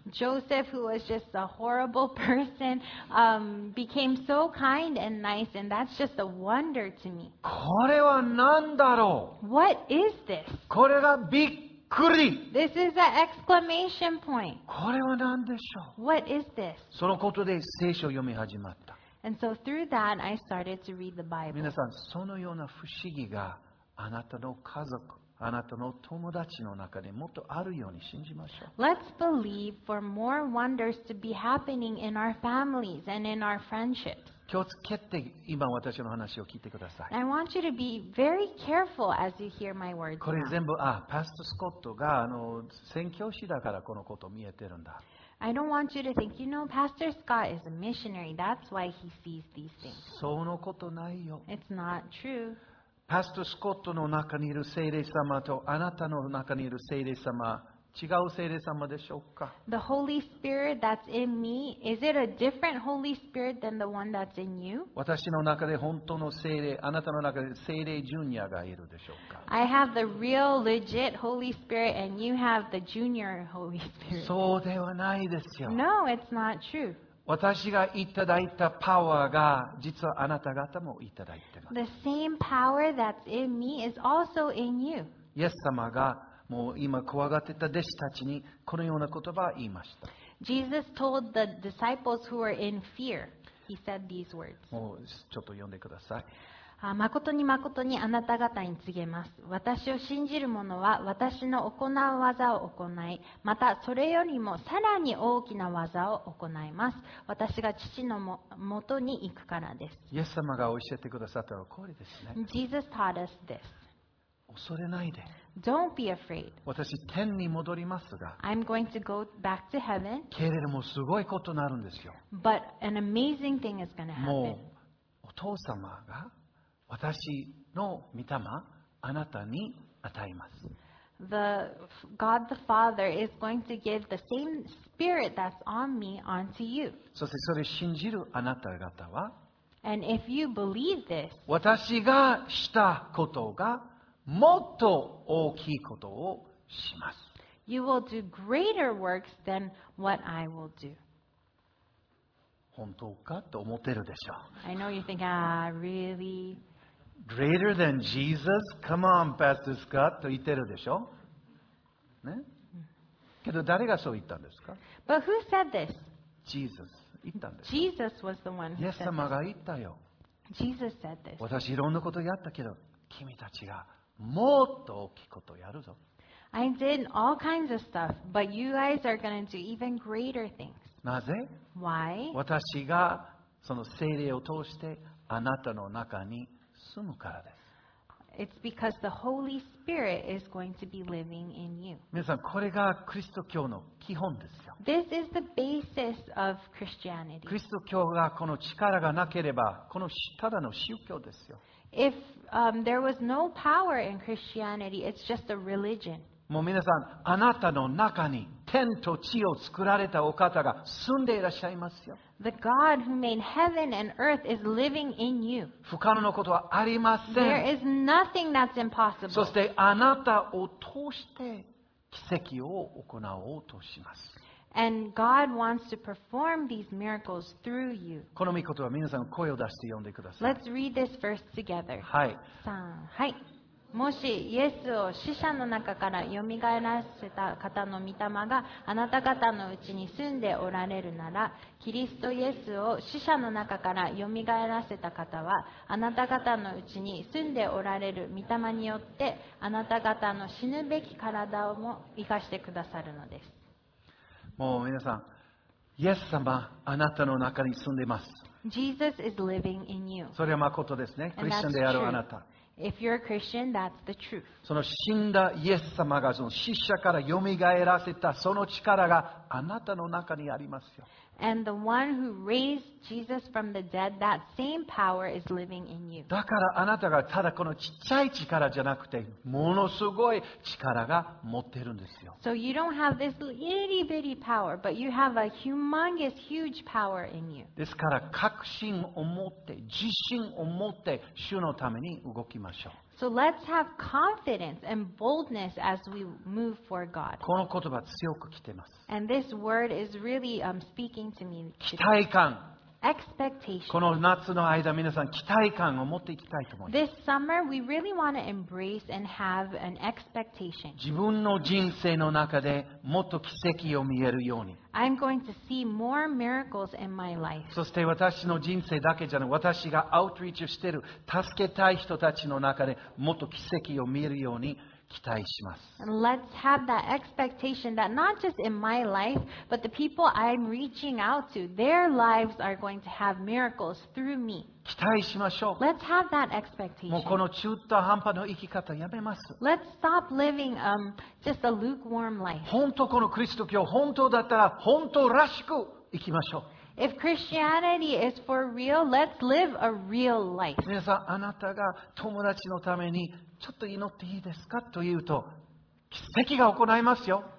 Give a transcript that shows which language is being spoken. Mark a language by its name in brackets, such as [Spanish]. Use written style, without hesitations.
[English] Joseph, who was just a horrible person, became so kind and nice, and that's just a wonder to me. [Japanese] これは何だろう? [English] What is this? [Japanese] これがびっくり。 [English] This is an exclamation point. [Japanese] これは何でしょう? [English] What is this? [Japanese] そのことで聖書を読み始まった。 [English] And so through that, I started to read the Bible. [Japanese] 皆さん、そのような不思議があなたの家族あなたの友達の中でもっとあるように信じましょう。 [English] Let's believe for more wonders to be happening in our families and in our friendships. [Japanese] 気をつけて今私の話を聞いてください。 [English] I want you to be very careful as you hear my words. [Japanese] これ全部パスタ・スコットが宣教師だからこのこと見えてるんだ。 [English] I don't want you to think, you know, Pastor Scott is a missionary. That's why he sees these things. [Japanese] そのことないよ。 [English] It's not true. [Japanese] パストスコットの中にいる聖霊様とあなたの中にいる聖霊様違う聖霊様でしょうか。 [English] The Holy Spirit that's in me, is it a different Holy Spirit than the one that's in you? [Japanese] 私の中で本当の聖霊、あなたの中で聖霊ジュニアがいるでしょうか。 [English] I have the real, legit Holy Spirit, and you have the junior Holy Spirit. [Japanese] そうではないですよ。 [English] No, it's not true. [Japanese] 私がいただいたパワーが実はあなた方もいただいてます。 [English] The same power that's in me is also in you. [Japanese] イエス様がもう今怖がってた弟子たちにこのような言葉を言いました。 [English] Jesus told the disciples who were in fear. He said these words. [Japanese] もうちょっと読んでください。誠に誠にあなた方に告げます。私を信じる者は私の行う技を行い、またそれよりもさらに大きな技を行います。私が父のもとに行くからです。イエス様が教えてくださったのはこれですね。 [English] Jesus taught us this. [Japanese] 恐れないで。 [English] Don't be afraid. [Japanese] 私、天に戻りますが、 [English] I'm going to go back to heaven. [Japanese] けれどもすごいことになるんですよ。 [English] But an amazing thing is going to happen. [Japanese] もうお父様が私の御霊、あなたに与えます。 [English] The God the Father is going to give the same Spirit that's on me onto you. [Japanese] そしてそれを信じるあなた方は、 [English] And if you believe this, [Japanese] 私がしたことがもっと大きいことをします。 [English] You will do greater works than what I will do. [Japanese] 本当かと思ってるでしょう。 [English] I know you think, ah, really? Greater than Jesus? Come on, Pastor Scott, [Japanese] と言ってるでしょう。ね。けど誰がそう言ったんですか。 [English] But who said this? [Japanese] Jesus 言ったんです。 [English] Jesus was the one who said this. [Japanese] イエス様が言ったよ。 [English] Jesus said this. [Japanese] 私いろんなことやったけど、君たちがもっと大きいことやるぞ。 [English] I did all kinds of stuff, but you guys are going to do even greater things. [Japanese] なぜ? [English] Why? [Japanese] 私がその聖霊を通してあなたの中に住むからです。 [English] It's because the Holy Spirit is going to be living in you. [Japanese] 皆さん、これがキリスト教の基本ですよ。 [English] This is the basis of Christianity. [Japanese] キリスト教がこの力がなければ、このただの宗教ですよ。 [English] If there was no power in Christianity, it's just a religion. [Japanese] もう皆さん、あなたの中に天と地を作られたお方が住んでいらっしゃいますよ。 [English] The God who made heaven and earth is living in you. [Japanese] 不可能なことはありません。 [English] There is nothing that's impossible. [Japanese] そしてあなたを通して奇跡を行おうとします。 [English] And God wants to perform these miracles through you. [Japanese] この御言葉、皆さん声を出して読んでください。 [English] Let's read this verse together. [Japanese] はい。 3、はい。もしイエスを死者の中から蘇らせた方の御霊があなた方のうちに住んでおられるなら、キリストイエスを死者の中から蘇らせた方はあなた方のうちに住んでおられる御霊によってあなた方の死ぬべき体をも生かしてくださるのです。もう皆さん、イエス様、あなたの中に住んでいます。 [English] Jesus is living in you. [Japanese] それは誠ですね。クリスチャンであるあなた。 [English] If you're a Christian, that's the truth. [Japanese] その死んだイエス様がその死者から蘇らせたその力があなたの中にありますよ。 [English] And the one who raised Jesus from the dead, that same power is living in you. [Japanese] だからあなたがただこのちっちゃい力じゃなくてものすごい力が持ってるんですよ。 [English] So you don't have this itty bitty power, but you have a humongous, huge power in you. [Japanese] ですから確信を持って、自信を持って主のために動きましょう。 [English] So let's have confidence and boldness as we move for God. [Japanese] この言葉強く来てます。 [English] And this word is really speaking to me. [Japanese] 期待感。 [English] Expectation. [Japanese] この夏の間、皆さん期待感を持っていきたいと思います。 [English] This summer, we really want to embrace and have an expectation. [Japanese] 自分の人生の中でもっと奇跡を見えるように。 [English] I'm going to see more miracles in my life. [Japanese] そして私の人生だけじゃなく、私がアウトリーチしている助けたい人たちの中でもっと奇跡を見えるように期待します。 [English] And let's have that expectation that not just in my life, but the people I'm reaching out to, their lives are going to have miracles through me. [Japanese] 期待しましょう。 [English] Let's have that expectation. [Japanese] もうこの中途半端の生き方やめます。 [English] Let's stop living just a lukewarm life. [Japanese] 本当このキリスト教、本当だったら本当らしく生きましょう。 [English] If Christianity is for real, let's live a real life. [Japanese] 皆さん、あなたが友達のためにちょっと祈っていいですかというと奇跡が行いますよ。